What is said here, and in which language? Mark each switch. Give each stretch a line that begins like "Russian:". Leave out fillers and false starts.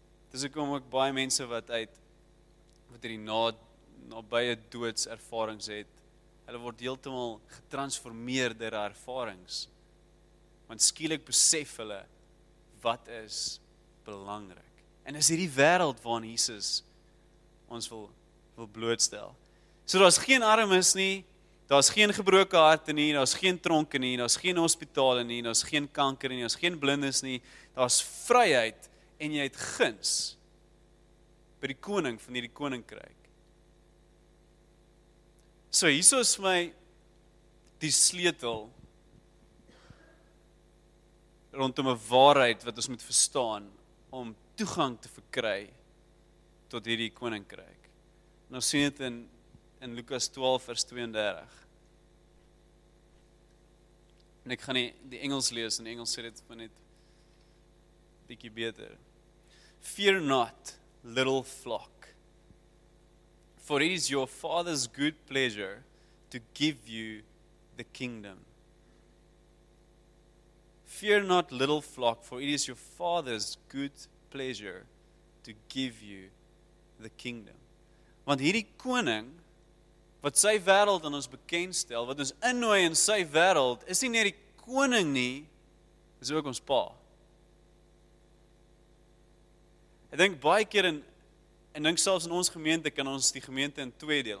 Afrikaans: Dis hoekom ook baie mense wat hierdie nabye doodservarings het, hulle word heeltemal getransformeer deur daardie ervarings. Want skielik besef hulle wat is belangrik. En is hierdie wêreld waarin Jesus ons wil blootstel. So daar's geen armes nie, daar's geen gebroke harte nie, daar's geen tronke nie, daar's geen hospitale nie, daar's geen kanker nie, daar's geen blindes nie. Daar's vryheid en jy het guns by die koning van hierdie koninkryk. So hierso is my die sleutel rondom 'n waarheid wat ons moet verstaan om toegang te verkry tot hierdie koninkryk. Nou sien dit in Lukas 12 vers 32. En ek gaan die Engels lees, in Engels sê dit van net bietjie beter.
English: Fear not, little flock, for it is your father's good pleasure to give you the kingdom. Fear not, little flock, for it is your father's good pleasure to give you the kingdom.
Afrikaans: Want hierdie koning, wat sy wêreld aan ons bekendstel, wat ons innooi in sy wêreld, is nie net die koning nie, is ook ons pa. Ek dink baie keer en dink selfs in ons gemeente, kan ons die gemeente in twee deel.